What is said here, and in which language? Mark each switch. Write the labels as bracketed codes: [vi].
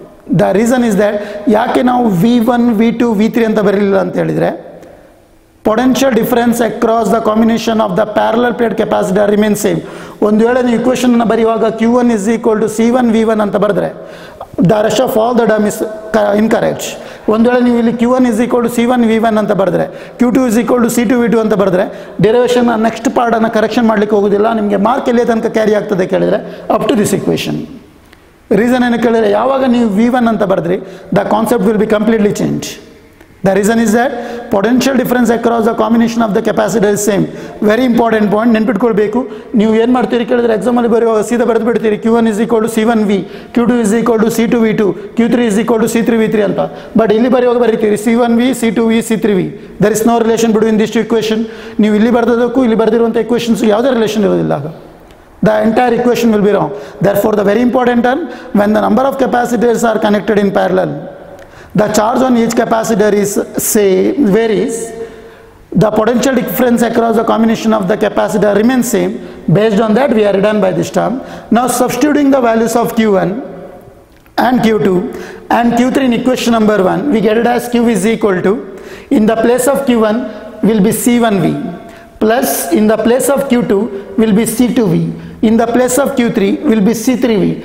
[en] The reason is that [kn] yake now V1, V2, V3 anta barilla anta helidre [en] potential difference across the combination of the parallel plate capacitor remains same. [kn] Ondu vela ni equation na bariyuvaga [en] Q1 is equal to C1 V1 anta baradre the rest of all the term is incorrect. [kn] ಒಂದು ವೇಳೆ ನೀವು ಇಲ್ಲಿ Q one is equal to C one V one ಅಂತ ಬರೆದ್ರೆ, Q two is equal to C to V to ಅಂತ ಬರೆದ್ರೆ, derivation next ಪಾರ್ಟನ್ನು correction ಮಾಡಲಿಕ್ಕೆ ಹೋಗೋದಿಲ್ಲ, ನಿಮಗೆ ಮಾರ್ಕ್ ಎಲ್ಲೇ ತನಕ ಕ್ಯಾರಿ ಆಗ್ತದೆ ಕೇಳಿದರೆ [en] Up to this equation. [kn] Reason ಏನು ಕೇಳಿದ್ರೆ ಯಾವಾಗ ನೀವು ವಿ ಒನ್ ಅಂತ ಬರೆದ್ರಿ [en] The concept will be completely change. The reason is that potential difference across the combination of the capacitor is same. [kn] Very important point ನೆನ್ಪಿಟ್ಕೊಳ್ಬೇಕು. ನೀವು ಏನು ಮಾಡ್ತೀರಿ ಕೇಳಿದ್ರೆ ಎಕ್ಸಾಮಲ್ಲಿ ಬರೆಯುವ ಸೀದಾ ಬರೆದುಬಿಡ್ತೀರಿ Q one is equal to C one V, Q two is equal to C to V to, Q three is equal to C three V three ಅಂತ. [en] but [kn] ಇಲ್ಲಿ ಬರೆಯುವಾಗ ಬರೀತೀರಿ [en] C one V, C two V, C three V. There is no relation between this two equation. [kn] ನೀವು ಇಲ್ಲಿ ಬರೆದಕ್ಕೂ ಇಲ್ಲಿ ಬರೆದಿರುವಂಥ equations ಯಾವುದೇ relation ಇರೋದಿಲ್ಲ. [en] The entire equation will be wrong. Therefore, the very important term, when the number of capacitors are connected in parallel, the charge on each capacitor is same, varies, the potential difference across the combination of the capacitor remains same. Based on that, we are done by this term. Now, substituting the values of Q1 and Q2 and Q3 in equation number 1, we get it as Q is equal to, in the place of Q1 will be C1V, plus in the place of Q2 will be C2V, in the place of Q3 will be C3V.